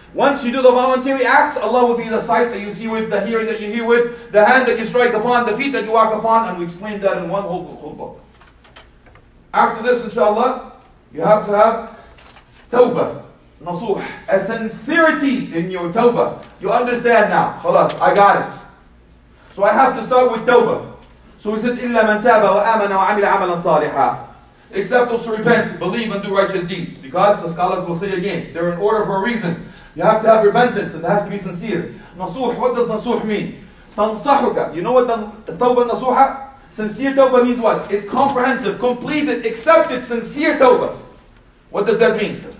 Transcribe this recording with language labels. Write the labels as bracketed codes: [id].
[en] Once you do the voluntary acts, Allah will be the sight that you see with, the hearing that you hear with, the hand that you strike upon, the feet that you walk upon. And we explained that in one whole khutbah. After this, inshallah, you have to have tawbah, nasuh, a sincerity in your tawbah. You understand now, khalas, I got it. So I have to start with tawbah. So we said, [ar] إِلَّا مَنْ تَابَ وَآمَنَ وَعَمِلَ عَمَلًا صَالِحًا. [en] Except those who repent, believe and do righteous deeds. Because the scholars will say again, they're in order for a reason. You have to have repentance and it has to be sincere. Nasuh, what does nasuh mean? [ar] تَنْصَحُكَ. [en] You know what tawbah nasuha? Sincere tawbah means what? It's comprehensive, completed, accepted, sincere tawbah. What does that mean?